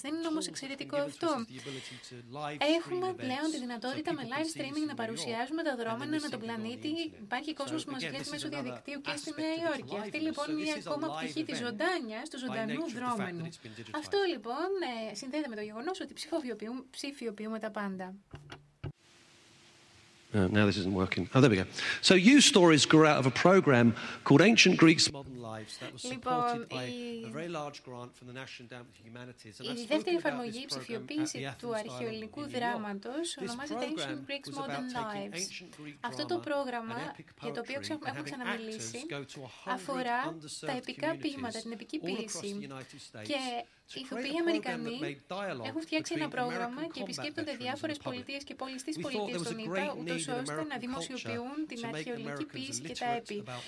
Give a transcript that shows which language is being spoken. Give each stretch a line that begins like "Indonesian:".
Greek: Δεν είναι όμως εξαιρετικό αυτό. Έχουμε πλέον τη δυνατότητα με live streaming να παρουσιάζουμε τα δρόμενα με τον πλανήτη. Υπάρχει κόσμο που μας βλέπει μέσω διαδικτύου και στη Νέα Υόρκη. Αυτή λοιπόν είναι μια ακόμα πτυχή τη ζωντάνια του ζωντανού δρόμενου. Αυτό λοιπόν συνδέεται με το γεγονός ότι ψηφιοποιούμε τα πάντα.
English: Now this isn't working. Oh, there we go. So you stories grew out of a program called Ancient Greeks Modern Lives that was supported by a very large grant from the National Endowment for Humanities.
Greek: Η δεύτερη εφαρμογή ψηφιοποίηση του αρχαιολινικού δράματος ονομάζεται Ancient Greeks Modern Lives. Αυτό το πρόγραμμα, για το οποίο έχουμε ξαναμιλήσει, αφορά τα επικά ποίηματα, την επική ποίηση. Και οι ηθοποιοί Αμερικανοί έχουν φτιάξει ένα πρόγραμμα και επισκέπτονται διάφορες πολιτείες και πόλεις της πολιτείας των ΗΠΑ, ούτως ώστε να δημοσιοποιούν την αρχαιολική ποίηση και τα έπι.